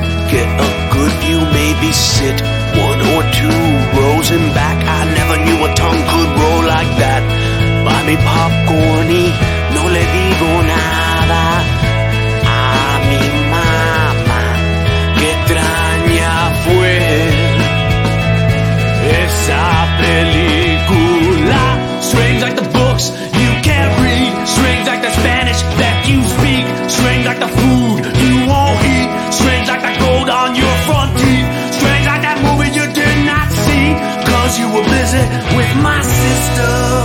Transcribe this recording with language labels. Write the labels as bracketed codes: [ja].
[en] Get a good view, maybe sit one or two rows in back. I never knew a tongue could roll like that. Buy me popcorn [es] y no le digo nada a mi mamá. Qué extraña fue esa película. [en] Strange like the books you can't read. Strange like the Spanish that you speak. Strange like the food you won't eat. Strange like the gold on your front teeth. Strange like that movie you did not see. 'Cause you were busy with my sister.